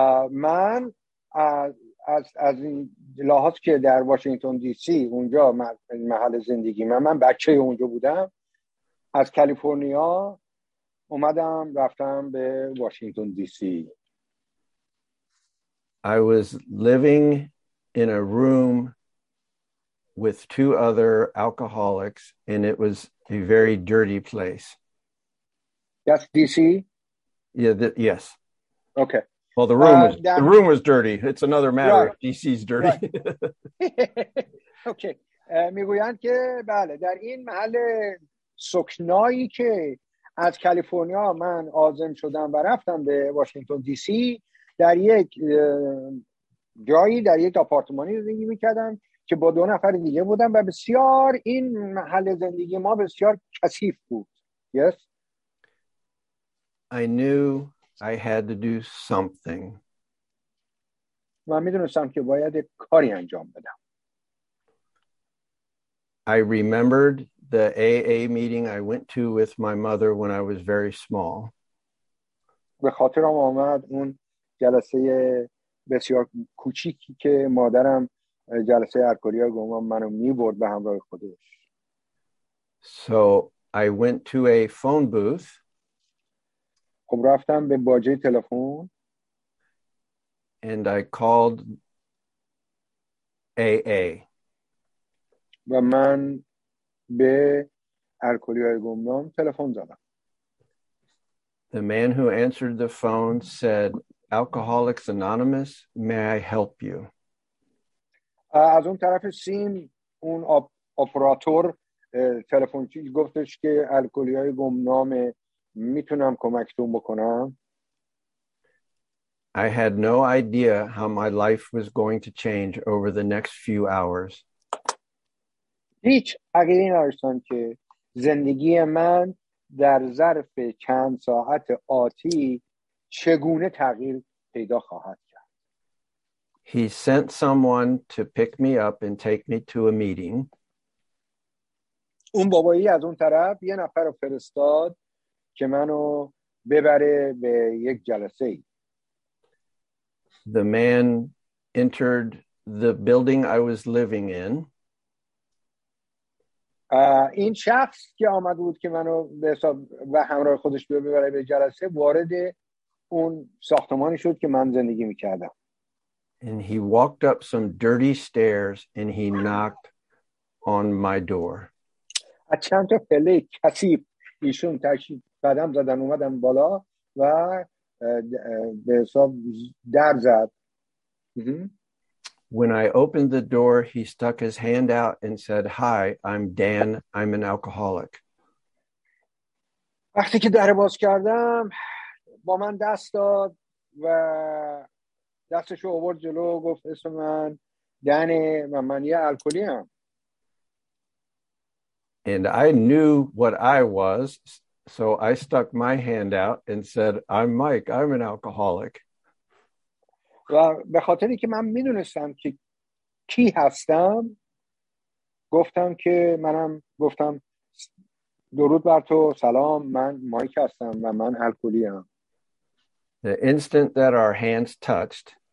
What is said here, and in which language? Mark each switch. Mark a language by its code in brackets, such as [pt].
[fa] من از این لحاظ که در واشنگتن دی سی اونجا محل زندگی من بچه اونجا بودم، از کالیفرنیا اومدم رفتم به واشنگتن دی سی. [en] I was living in a room with two other alcoholics, and it was a very dirty place. That's DC? Yeah. Yes. Okay. Well, the room was the room was dirty. It's another matter. Right. DC's dirty. Right. Okay. [fa] میگویند که بله در این محل سکنایی که از کالیفرنیا من عازم شدم و رفتم به واشنگتن دی سی در یک جایی در یک آپارتمانی زندگی میکردم که با دو نفر دیگه بودم و بسیار این محل زندگی ما بسیار کثیف بود. [en] Yes. I knew I had to do something. [fa] من میدونستم که باید کاری انجام بدم. [en] I remembered the AA meeting I went to with my mother when I was very small. [fa] به خاطرم آمد اون جلسه بسیار کوچیکی که مادرم جلسه الکلی ها گمان منو می برد به همراه خودش. [en] So I went to a phone booth. [fa] خب رفتم به باجه تلفن. [en] And I called AA. [fa] و من به الکلی های گمنام تلفن زدم. [en] The man who answered the phone said, Alcoholics Anonymous, may I help you? [fa] از اون طرف سیم اون اپراتور تلفن چیز گفتش که الکلی های گمنام میتونم کمکتون بکنم. [en] I had no idea how my life was going to change over the next few hours. [fa] هیچ عقیده‌ای نداشتم که زندگی من در ظرف چند ساعت آتی چگونه تغییر پیدا خواهد کرد. [en] He sent someone to pick me up and take me to a meeting. [fa] اون بابایی از اون طرف یه نفر رو فرستاد که منو ببره به یک جلسه. [en] The man entered the building I was living in. [fa] این شخص که آمد بود که منو به حساب و همراه خودش ببره به جلسه وارد اون ساختمانی شد که من زندگی میکردم. [en] And he walked up some dirty stairs and he knocked on my door. [fa] از چند تا پله کثیف ایشون تشریف قدم زدن اومدن بالا و به حساب در زد. [en] When I opened the door, he stuck his hand out and said, Hi, I'm Dan, I'm an alcoholic. [fa] وقتی که در باز کردم با من دست داد و دستشو آورد جلو و گفت اسم من دنه و من یه الکلیم. [en] And I knew what I was, so I stuck my hand out and said, I'm Mike, I'm an alcoholic. [fa] و به خاطر اینکه من میدونستم که کی هستم گفتم که منم گفتم درود بر تو سلام من مایک هستم و من الکلیم. [en] The instant that our hands touched